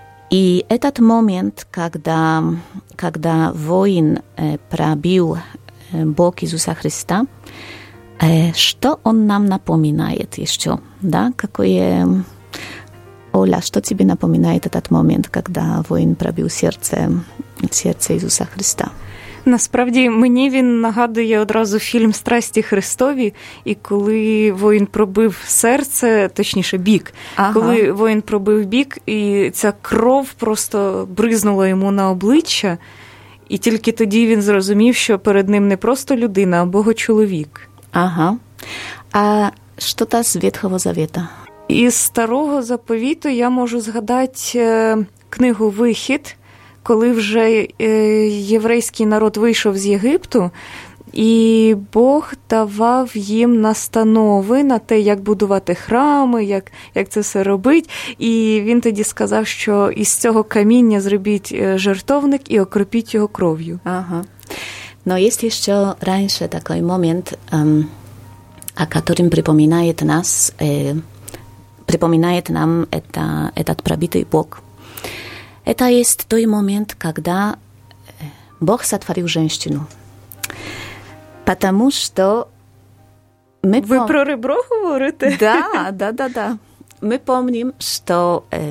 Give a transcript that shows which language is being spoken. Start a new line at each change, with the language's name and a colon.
Russian: И этот момент, когда воин пробил бок Иисуса Христа, что он нам напоминает еще? Да? Какое... Оля, что тебе напоминает этот момент, когда воин пробил сердце Иисуса Христа?
Ukrainian: Насправді, мені він нагадує одразу фільм «Страсті Христові», і коли воїн пробив серце, точніше, бік, ага. Коли воїн пробив бік, і ця кров просто бризнула йому на обличчя, і тільки тоді він зрозумів, що перед ним не просто людина, а Богочоловік. Ага. А що та з Ветхого Завіта? Із Старого Заповіту я можу згадати книгу «Вихід», коли вже єврейський народ вийшов з Єгипту, і Бог давав їм настанови на те, як будувати храми, як це все робить. І він тоді сказав, що із цього каміння зробіть жертовник і окропіть його кров'ю. Ага. Ну, є ще раніше такий момент,
Russian: о котором припоминает нам этот пробитий бок. Это есть той момент, когда Бог сотворил женщину. Потому что... Вы про ребро говорите? Да. Мы помним, что...